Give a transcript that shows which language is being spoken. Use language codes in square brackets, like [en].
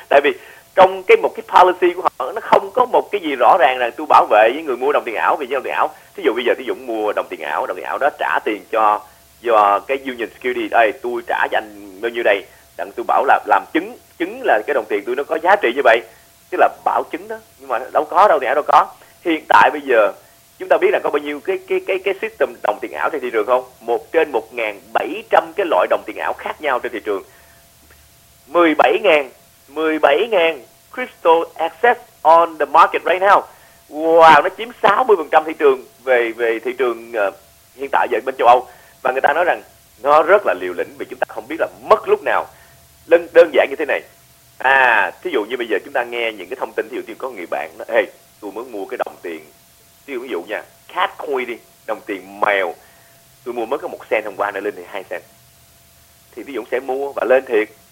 [vi] Tại vì trong cái một cái policy của họ nó không có một cái gì rõ ràng là tôi bảo vệ với người mua đồng tiền ảo. Vì đồng tiền ảo, ví dụ bây giờ Tí Dũng mua đồng tiền ảo đó trả tiền cho do cái Union Security, ê tôi trả cho anh bao nhiêu đây, đặng tôi bảo là làm chứng, chứng là cái đồng tiền tôi nó có giá trị như vậy, tức là bảo chứng đó. Nhưng mà đâu có, đồng tiền ảo đâu có. Hiện tại bây giờ chúng ta biết là có bao nhiêu cái system đồng tiền ảo trên thị trường không? 1/1700 cái loại đồng tiền ảo khác nhau trên thị trường. [en] 17.000 crypto access on the market right now. [vi] Wow, nó chiếm 60% thị trường về thị trường hiện tại giờ bên châu Âu. Và người ta nói rằng nó rất là liều lĩnh vì chúng ta không biết là mất lúc nào. Đơn giản như thế này. Thí dụ như bây giờ chúng ta nghe những cái thông tin, thí dụ như có người bạn nói, ê, tôi muốn mua cái đồng tiền, ví dụ nha, cat coin đi, đồng tiền mèo, tôi mua mới có 1 cent hôm qua nó lên thì 2 cent, thì ví dụ sẽ mua và lên thiệt.